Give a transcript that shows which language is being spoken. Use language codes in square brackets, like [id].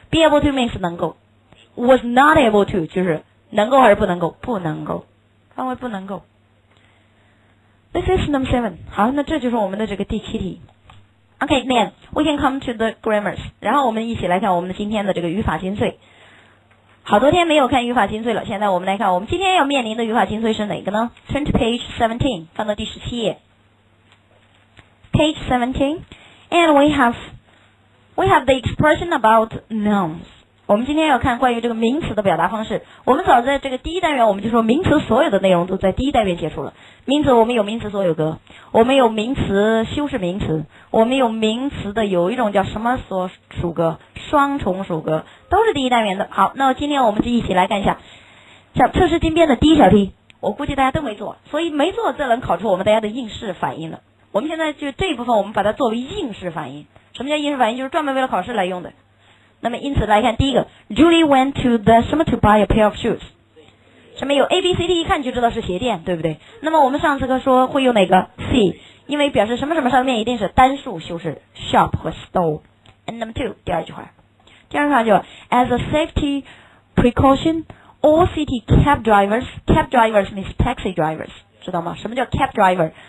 [en] be able to means [zh] 能够， [en] was not able to [zh] 就是能够还是不能够，不能够，范围不能够。 [en] this is number seven。 [zh] 好，那这就是我们的这个第七题。 [en] OK then we can come to the grammars， [zh] 然后我们一起来看我们今天的这个语法精粹。好多天没有看语法精粹了，现在我们来看我们今天要面临的语法精粹是哪个呢？ [en] Turn to page 17， [zh] 翻到第17页。 [en] Page 17 and we have the expression about nouns。 [zh] 我们今天要看关于这个名词的表达方式。我们早在这个第一单元我们就说名词所有的内容都在第一单元结束了。名词我们有名词所有格，我们有名词修饰名词，我们有名词的有一种叫什么所属格，双重属格，都是第一单元的。好，那今天我们就一起来看一下像测试金边的第一小题，我估计大家都没做，所以没做这能考出我们大家的应试反应了。我们现在就这一部分我们把它作为应试反应。什么叫应试反应？就是专门为了考试来用的。那么因此来看第一个， [en] Julie went to the [zh] 什么 [en] to buy a pair of shoes。 [zh] 上面有 ABCD， 一看就知道是鞋店，对不对？那么我们上次课说会用哪个 C， 因为表示什么什么上面一定是单数修饰 shop 和 store。 [en] And number two， [zh] 第二句话，第二句话就 [en] As a safety precaution all city cab drivers， cab drivers means taxi drivers， [zh] 知道吗？ 什么叫 [en] cab driver？